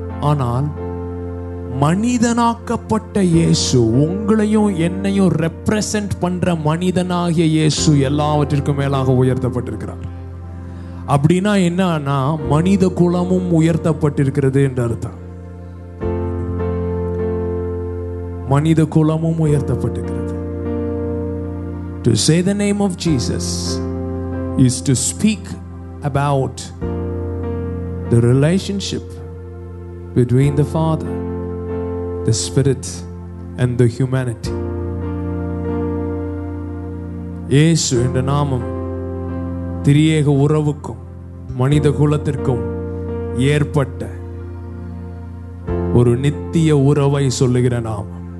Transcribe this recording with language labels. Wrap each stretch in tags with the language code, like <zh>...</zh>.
<ta>ஆனால் மனிதனாக்கப்பட்ட இயேசு, உங்களையும் என்னையும் ரெப்ரசன்ட் பண்ற மனிதனாகிய இயேசு எல்லாவற்றிற்கும் மேலாக உயர்த்தப்பட்டிருக்கிறார். அப்படின்னா என்னன்னா, மனித குலமும் உயர்த்தப்பட்டிருக்கிறது என்று அர்த்தம். மனித குலமும் உயர்த்தப்பட்டிருக்கிறது.</ta> <en>To say the name of Jesus is to speak about the relationship between the Father, the Spirit, and the humanity.</en> <ta>இயேசு என்ற நாமம் திரியேக உறவுக்கும் மனித குலத்திற்கும் ஏற்பட்ட ஒரு நித்திய உறவை சொல்லுகிற நாமம்.</ta>